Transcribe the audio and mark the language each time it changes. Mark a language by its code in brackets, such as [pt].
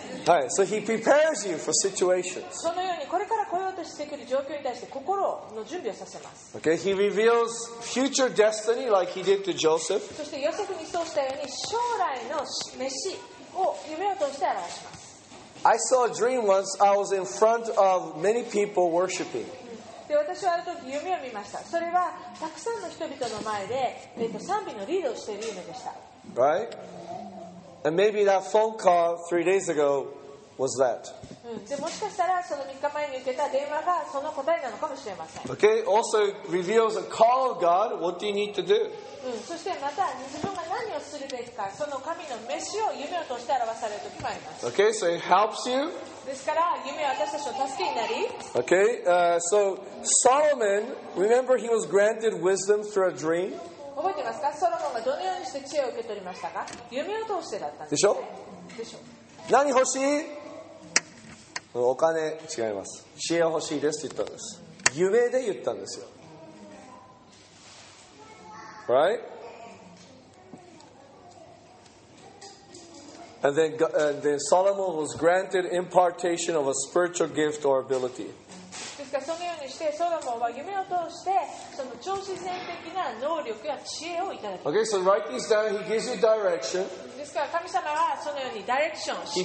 [en] はい。So he prepares you for situations. [ja] そのようにこれから来ようとしてくる状況に対して心の準備をさせます。 [en] Okay? He reveals future destiny like he did to Joseph. [ja] そしてヨセフにそうしたように将来の召しを夢を通して表します。 [en] I saw a dream once. I was in front of many people worshiping. [ja] で私はある時夢を見ました。それはたくさんの人々の前で、賛美のリードをしている夢でした。 [en] Right? And maybe that phone call three days ago was that.、 [ja] でもしかしたらその3日前に受けた電話がその答えなのかもしれません。 [en] Okay, also reveals a call of God. What do you need to do?、 [ja] そしてまた自分が何をするべきか、その神の召しを夢を通して表される時もあります。 [en] Okay, so it helps you. [ja] ですから夢は私たちの助けになり、 [en] okay, so Solomon, remember he was granted wisdom through a dream? [ja] 覚えてますか？ソロモンがどのようにして知恵を受け取りましたか？夢を通してだったんです、ね、でしょ。 何欲しい？お金違います。知恵欲しいですって言ったんです。夢で言ったんですよ。 [en] Right? And then, and then Solomon was granted impartation of a spiritual gift or ability. [ja] ですからそのようにしてソロモンは夢を通してその超自然的な能力や知恵をいただき [en] ました。 Okay, so write these down. He gives you direction. [ja] ですから神様はそのようにダイレクション。